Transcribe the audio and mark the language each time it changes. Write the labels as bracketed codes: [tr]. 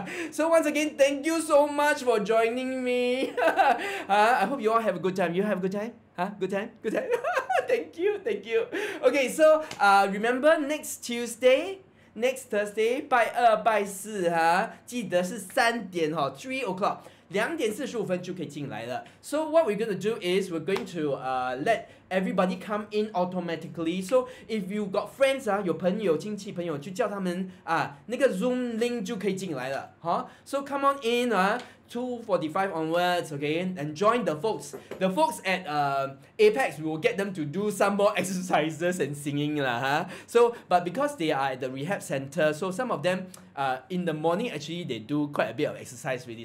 [en] So once again, thank you so much for joining me. I hope you all have a good time. You have a good time. Good time. thank you. Okay, so remember next Thursday, [zh] 拜二拜四, 记得是三点, [en] 3 o'clock, 2:45就可以进来了。 So what we're going to do is we're going to let everybody come in automatically. So if you got friends, [zh] 有朋友、亲戚、朋友就叫他们那个 Zoom link 就可以进来了。 [en] So come on in, 2:45 onwards, okay, and join the folks. The folks at Apex, we will get them to do some more exercises and singing lah, huh? So, but because they are at the rehab center, so some of them, in the morning, actually, they do quite a bit of exercise really.